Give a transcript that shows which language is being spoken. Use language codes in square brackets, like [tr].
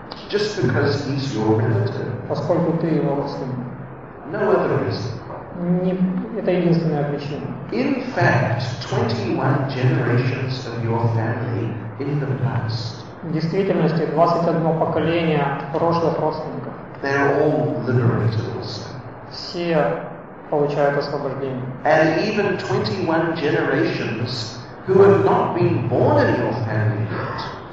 [en] Just because he's your relative. [ru] Поскольку ты его родственник. [en] No other reason. [ru] Не, это единственная причина. [en] In fact, 21 generations of your family in the past. [ru] В действительности, 21 поколение прошлых родственников. [en] They're all liberated also. [ru] Все получают освобождение. [en] And even 21 generations who have not been born in your family yet.